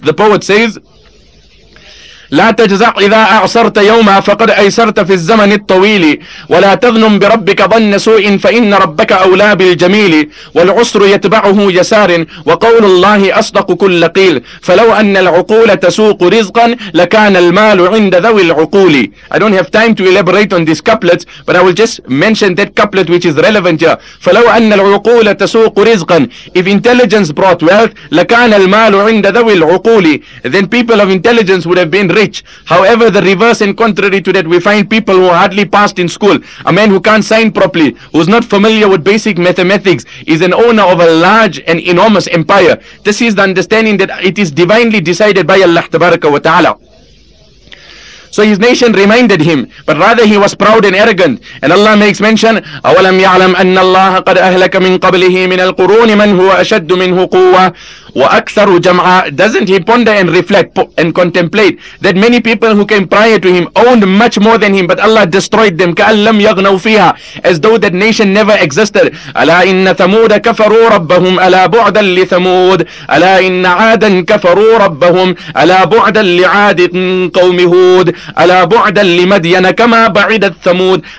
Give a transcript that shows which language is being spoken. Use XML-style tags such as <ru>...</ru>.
<en>The poet says,</en> <ar>لَا تَجْزَعْ إِذَا أَعْصَرْتَ يَوْمًا فَقَدْ أَيْسَرْتَ فِي الزَّمَنِ الطَّوِيلِ وَلَا تَظْنُمْ بِرَبِّكَ ظَنَّ سُوءٍ فَإِنَّ رَبَّكَ أَوْلَى بِالْجَمِيلِ وَالْعُسْرُ يَتْبَعُهُ يَسَارٍ وَقَوْلُ اللَّهِ أَصْدَقُ كُلَّ قِيلٍ فَلَوْ أَنَّ الْعُقُولَ تَسُوقُ رِزْقًا لَكَانَ الْمَالُ عِنْدَ ذَوِي الْعُقُولِ.</ar> <en>I don't have time to elaborate on this couplet, but I will just mention that couplet which is relevant here.</en> <ar>فَلَوْ أَنَّ الْعُقُولَ تَسُوقُ رِزْقًا.</ar> <en>If intelligence brought wealth,</en> <ar>لَكَانَ الْمَالُ عِنْدَ ذَوِي الْعُقُولِ.</ar> <en>Then people of intelligence would have been rich. However, the reverse and contrary to that, we find people who hardly passed in school, a man who can't sign properly, who's not familiar with basic mathematics, is an owner of a large and enormous empire. This is the understanding that it is divinely decided by Allah tabaraka wa ta'ala. So his nation reminded him, but rather he was proud and arrogant. And Allah makes mention,</en> <ar>أَوَلَمْ يَعْلَمْ أَنَّ اللَّهَ قَدْ أَهْلَكَ مِنْ قَبْلِهِ مِنَ الْقُرُونِ مَنْ هُوَ أَشَدُّ مِنْهُ قُوَّةً وَأَكْثَرُ جَمْعًا.</ar> <en>Doesn't he ponder and reflect and contemplate that many people who came prior to him owned much more than him, but Allah destroyed them,</en> <ar>كَأَلَّمْ يَغْنَوْ فِيهَا,</ar> <en>as though that nation never existed.</en> <ar>أَلَا إِنَّ ثَمُودَ كَفَرُوا رَبَّهُمْ أَلَا بُعْدًا لِثَمُودَ أَلَا إِنَّ عَادًا كَفَرُوا رَبَّهُمْ أَلَا بُعْدًا لِعَادٍ قَوْمِ هُودٍ أَلَا بُعْدًا لِمَدْيَنَ كَمَا بَعِدَ الثَّمُودُ.</ar>